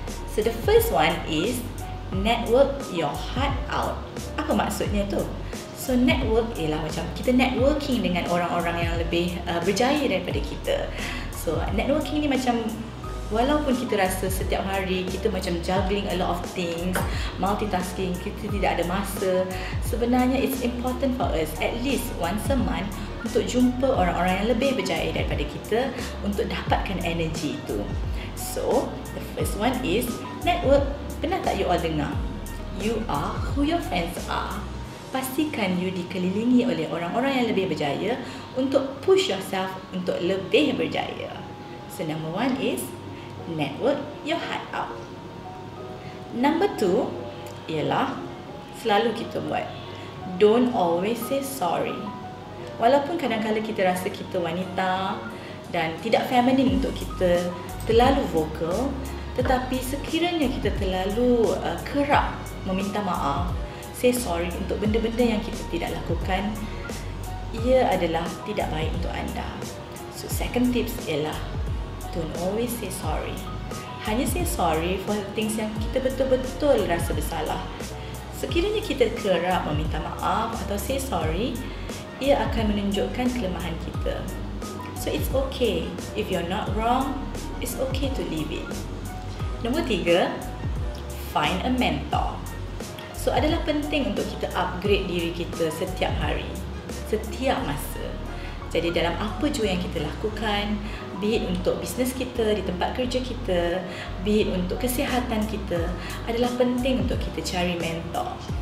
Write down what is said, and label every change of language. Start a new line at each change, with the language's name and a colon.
English: So the first one is network your heart out.
Malay: Apa maksudnya tu? So network ialah macam kita networking dengan orang-orang yang lebih berjaya daripada kita. So networking ni macam walaupun kita rasa setiap hari kita macam
English: juggling a lot of things, multitasking,
Malay: kita tidak ada masa, sebenarnya
English: it's important for us at least once a month
Malay: untuk jumpa orang-orang yang lebih berjaya daripada kita untuk dapatkan
English: energy itu. So, the first one is network.
Malay: Pernah tak
English: you all
Malay: dengar?
English: You are who your friends are.
Malay: Pastikan you dikelilingi oleh orang-orang yang lebih berjaya untuk
English: push yourself
Malay: untuk lebih berjaya.
English: So, number one is network your heart out.
Malay: Number two ialah selalu kita buat.
English: Don't always say sorry.
Malay: Walaupun kadang-kadang kita rasa kita wanita dan tidak feminine untuk kita terlalu vocal, tetapi sekiranya kita terlalu kerap meminta maaf,
English: say sorry
Malay: untuk benda-benda yang kita tidak lakukan, ia adalah tidak baik untuk anda.
English: So second tips
Malay: ialah
English: don't always say sorry.
Malay: Hanya
English: say sorry for things
Malay: yang kita betul-betul rasa bersalah. Sekiranya kita kerap meminta maaf atau
English: say sorry,
Malay: ia akan menunjukkan kelemahan kita.
English: So it's okay. If you're not wrong, it's okay to leave it.
Malay: Nombor tiga,
English: find a mentor.
Malay: So adalah penting untuk kita upgrade diri kita setiap hari, setiap masa. Jadi dalam apa jua yang kita lakukan,
English: be it
Malay: untuk bisnes kita, di tempat kerja kita, be it untuk kesihatan kita, adalah penting untuk kita cari mentor.